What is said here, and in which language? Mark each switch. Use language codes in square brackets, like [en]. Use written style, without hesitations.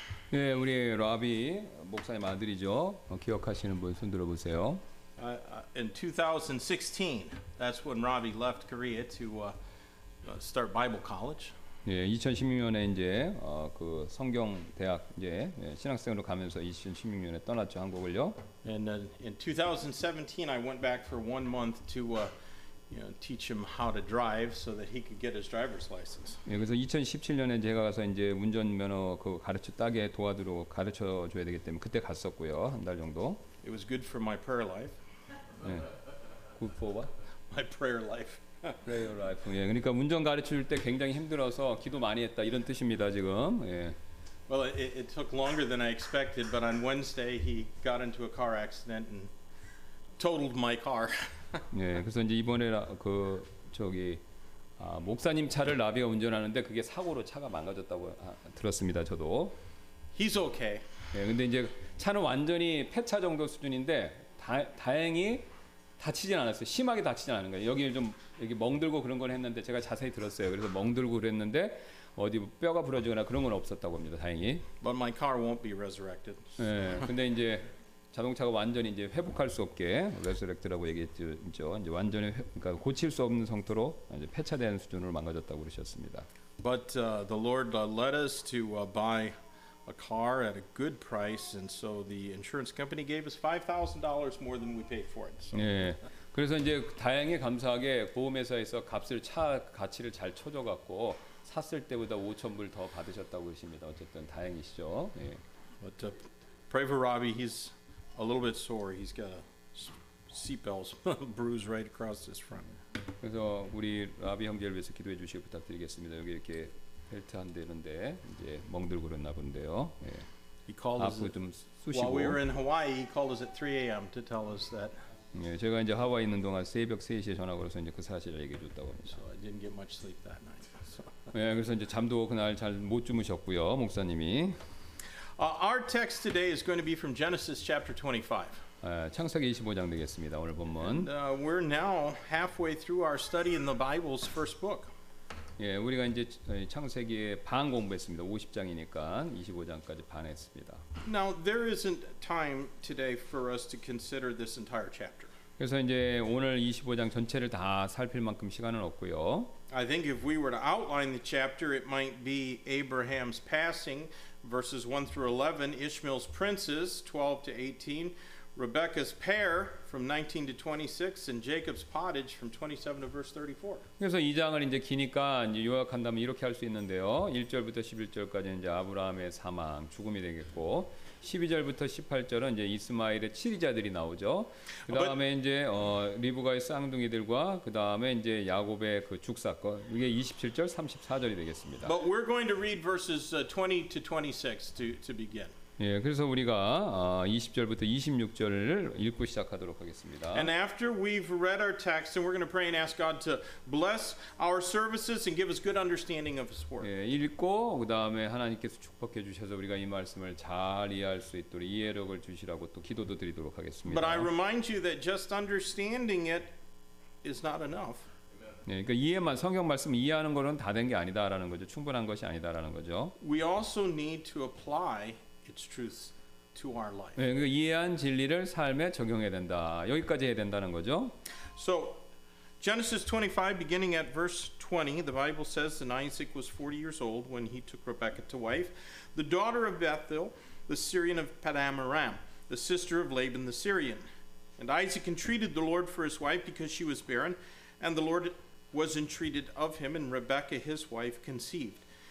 [ko] 네, 우리 로비 목사님 아들이죠. 기억하시는 분 손 들어 보세요. [en] In 2016, that's when Robbie left Korea to start Bible college. [ko] 예, 2016년에 이제 그 성경 대학 이제 신학생으로 가면서 2016년에 떠났죠, 한국을요. [en] And in 2017, I went back for 1 month to teach him how to drive so that he could get his driver's license. [ko] 예, 그래서 2017년에 제가 가서 이제 운전면허 그 가르쳐 따게 도와드리고 가르쳐 줘야 되기 때문에 그때 갔었고요. 한 달 정도. [en] It was good for my prayer life. 예. Good for what? My prayer life. Prayer life. [ko] 예, 그러니까 운전 가르칠 때 굉장히 힘들어서 기도 많이 했다 이런 뜻입니다, 지금. 예. [en] Well, it took longer than I expected, but on Wednesday he got into a car accident and totaled my car. [ko] 네, 그래서 이제 이번에 그 저기 목사님 차를 라비가 운전하는데 그게 사고로 차가 망가졌다고 들었습니다, 저도. [en] He's okay. [ko] 네, 근데 이제 차는 완전히 폐차 정도 수준인데 다행히 다치진 않았어요. 심하게 다치진 않은 거예요. 여기 좀 여기 멍들고 그런 건 했는데 제가 자세히 들었어요. 그래서 멍들고 그랬는데 어디 뼈가 부러지거나 그런 건 없었다고 합니다. 다행히. [en] But my car won't be resurrected. [ko] 네, 근데 이제. 자동차가 완전히 이제 회복할 수 없게 레스렉트라고 얘기했죠. 이제 완전히 그러니까 고칠 수 없는 상태로 이제 폐차된 수준으로 망가졌다고 그러셨습니다. [en] But the Lord led us to buy a car at a good price and so the insurance company gave us $5,000 more than we paid for it. [ko] 네. 그래서 이제 다행히 감사하게 보험회사에서 값을 차 가치를 잘 쳐줘 갖고 샀을 때보다 $5,000 더 받으셨다고 그러십니다. 어쨌든 다행이시죠. 예. [en] But pray for Robbie. He's a little bit sore. He's got a seatbelt bruise right across his front. [ko] 그래서 우리 라비 형제를 위해서 기도해 주시기 부탁드리겠습니다. 여기 이렇게 벨트 안 되는데 이제 멍들고 그랬나 본데요. 예. [en] He called us at, while we were in Hawaii. He called us at 3 a.m. to tell us that. [ko] 예, 제가 이제 하와이 있는 동안 새벽 3시에 전화 걸어서 이제 그 사실을 얘기해 줬다고 합니다. [en] So I didn't get much sleep that night. So. [ko] 예, 그래서 이제 잠도 그날 잘 못 주무셨고요, 목사님이. [en] Our text today is going to be from Genesis chapter 25. [ko] 창세기 25장 되겠습니다. 오늘 본문. [en] And, we're now halfway through our study in the Bible's first book. [ko] 예, 우리가 이제 창세기의 반 공부했습니다. 50장이니까 25장까지 반했습니다. [en] Now there isn't time today for us to consider this entire chapter. [ko] 그래서 이제 오늘 25장 전체를 다 살필 만큼 시간은 없고요. [en] I think if we were to outline the chapter, it might be Abraham's passing. Verses 1 through 11, Ishmael's princes, 12 to 18, Rebekah's pair from 19 to 26, and Jacob's pottage from 27 to verse 34. [ko] 그래서 이 장을 이제 기니까 이제 요약한다면 이렇게 할 수 있는데요. 1절부터 11절까지 이제 아브라함의 사망, 죽음이 되겠고, 12절부터 18절은 이제 이스마엘의 칠이자들이 나오죠. 그 다음에 이제 리브가의 쌍둥이들과 그 다음에 이제 야곱의 그 죽 사건 이게 27절, 34절이 되겠습니다. [en] But we're going to read verses 20 to 26 to begin. [ko] 예, 그래서 우리가 20절부터 26절을 읽고 시작하도록 하겠습니다. [en] And after we've read our text, and we're going to pray and ask God to bless our services and give us good understanding of His word. [ko] 예, 읽고 그 다음에 하나님께서 축복해 주셔서 우리가 이 말씀을 잘 이해할 수 있도록 이해력을 주시라고 또 기도도 드리도록 하겠습니다. [en] But I remind you that just understanding it is not enough. [ko] 네, 그러니까 이해만 성경 말씀 이해하는 것은 다 된 게 아니다라는 거죠. 충분한 것이 아니다라는 거죠. [en] We also need to apply its truth to our life. [ko] 네, 그 이해한 진리를 삶에 적용해야 된다. 여기까지 해야 된다는 거죠. [en] So Genesis 25 beginning at verse 20, the Bible says that Isaac was 40 years old when he took Rebekah to wife, the daughter of Bethuel, the Syrian of Padan Aram, the sister of Laban the Syrian. And Isaac entreated the Lord for his wife because she was barren, and the Lord was entreated of him and Rebekah his wife conceived.